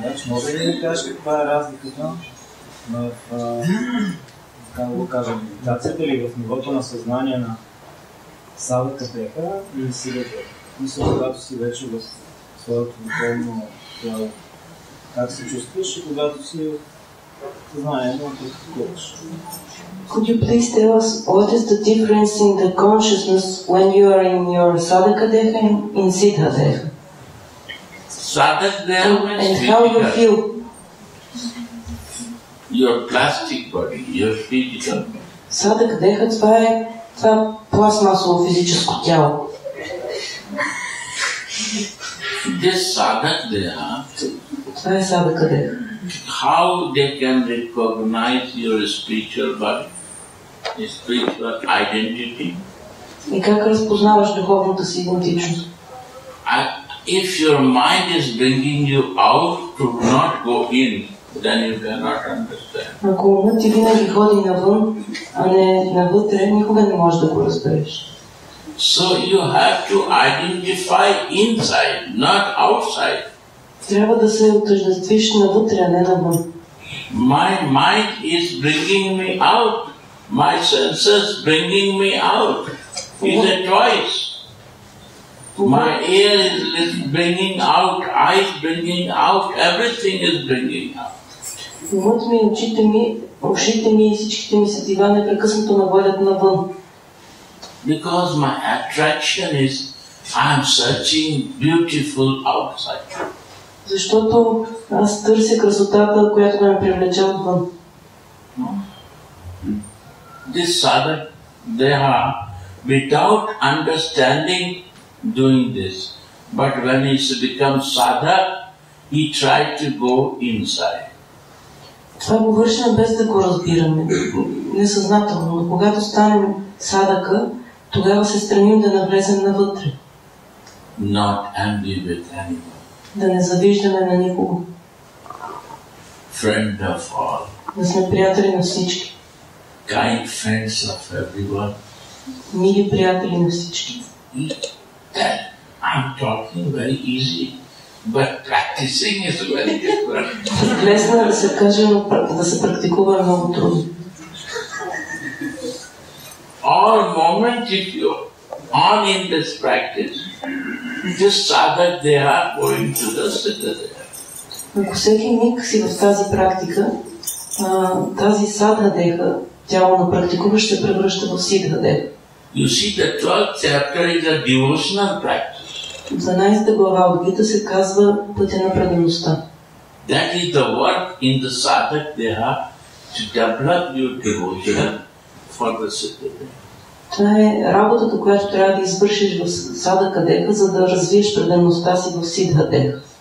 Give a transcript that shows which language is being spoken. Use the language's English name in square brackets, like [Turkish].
[Bulgarian] Може ли да кажеш каква е разликата в медитацията или в нивото на съзнание на Садхака деха или Сиддха? Мисля, когато си вече в своето духовно тяло, как се чувстваш и когато си съзнанието на практикуваш? [English] Could you please tell us what is the difference in the consciousness when you are in your Sadhaka deha and in Siddha deha? Sadhaka deha and how you feel? Your plastic body, your physical. [Bulgarian] Sadhaka deha, това е това пластмасово физическо тяло. [English] This Sadhaka deha. [Bulgarian] Това е Sadhaka deha. [English] How they can recognize your spiritual body? Spiritual identity. [Bulgarian] И как разпознаваш духовната си идентичност? [English] If your mind is bringing you out to not go in, then you cannot understand. [Bulgarian] Ако умът ти винаги ходи навън, а не навътре, никога не можеш да го разбереш. [English] So you have to identify inside, not outside. [Bulgarian] Трябва да се отъждествиш навътре, а не навън. [English] My mind is bringing me out. My senses bringing me out is a choice. My ear is bringing out, eyes bringing out, everything is bringing out. [Bulgarian] Умът ми, очите ми, ушите ми и всичките ми сетива непрекъснато ме водят навън. [English] Because my attraction is, I am searching beautiful outside. [Bulgarian] Защото аз търся красотата, която ме привлече отвън. [English] This Sadhaka Deha, without understanding, doing this. But when he becomes Sadhaka, he tried to go inside. [Bulgarian] Това го вършим без да го разбираме, несъзнателно. Но когато станем Sadhaka, тогава се стремим да навлезем навътре. [English] Not envy with anyone. [Bulgarian] Да не завиждаме на никого. [English] Friend of all. [Bulgarian] Да сме приятели на всички. [English] Kind friends of everyone. [Bulgarian] Мили приятели на всички. [English] I'm talking very easy, but practicing is very difficult. [Bulgarian] Лесно да се каже, но да се практикува е много трудно. [English] All moment if you are in this practice, this Sadhaka deha going to the Siddha deha. [Bulgarian] Ако всеки миг си в тази практика, тази Sadhaka deha, тяло на практикуваш се превръща в Сидха деха. [English] You see, the 12th chapter is a devotional practice. [Bulgarian] 12-та глава от Гита се казва пътя на предаността. [English] That is the work in the Sadhaka deha to develop your devotion for the Siddha deha. [Bulgarian] Това е работата, която трябва да извършиш в Sadhaka deha, за да развиеш предаността си в Сидха деха.